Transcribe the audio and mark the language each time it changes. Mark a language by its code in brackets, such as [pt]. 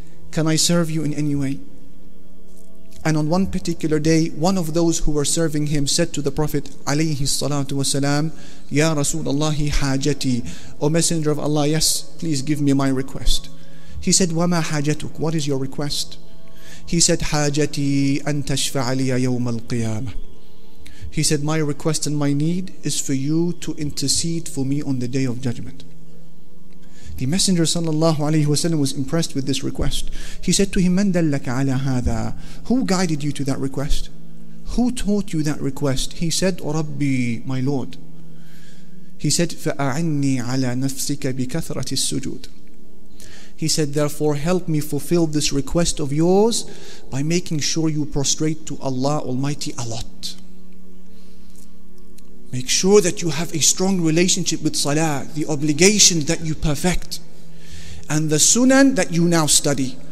[en] Can I serve you in any way? And on one particular day, one of those who were serving him said to the Prophet alayhi salatu wa sallam, [ar] Ya Rasulallahi hajati, [en] O Messenger of Allah, yes, please give me my request. He said, [ar] وَمَا حَاجَتُكَ, [en] what is your request? He said, [ar] حَاجَتِي أَن تَشْفَعَ لِيَ يَوْمَ الْقِيَامَةِ. [en] He said, my request and my need is for you to intercede for me on the Day of Judgment. The Messenger sallallahu alayhi wasallam was impressed with this request. He said to him, [ar] مَنْ دَلَّكَ عَلَى هَذَا, [en] who guided you to that request? Who taught you that request? He said, رَبِّي, my Lord. He said, [ar] فَأَعِنِّي عَلَى نَفْسِكَ بِكَثْرَةِ السُّجُودِ. [en] He said, therefore, help me fulfill this request of yours by making sure you prostrate to Allah Almighty a lot. Make sure that you have a strong relationship with salah, the obligations that you perfect, and the sunan that you now study.